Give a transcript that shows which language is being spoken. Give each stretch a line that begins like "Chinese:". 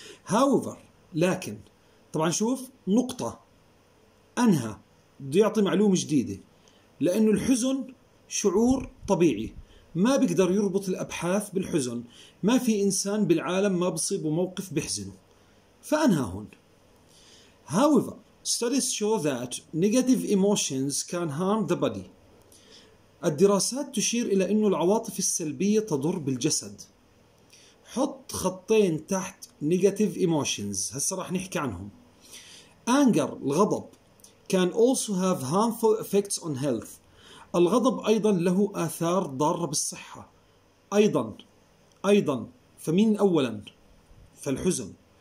Arabic: However, لكن طبعا شوف نقطة أنهى بيعطي معلومة جديدة لأنه الحزن شعور طبيعي. ما بيقدر يربط الأبحاث بالحزن، ما في إنسان بالعالم ما بصيبه موقف بيحزنه، فأنهى هون.
English: However, studies show that negative emotions can harm the body.
Arabic: الدراسات تشير إلى أن العواطف السلبية تضر بالجسد. حط خطين تحت negative emotions، هسا راح نحكي عنهم.
English: Anger, الغضب, can also have harmful effects on health.
Arabic: الغضب أيضا له آثار ضارة بالصحة. أيضا فمين أولا؟ فالحزن.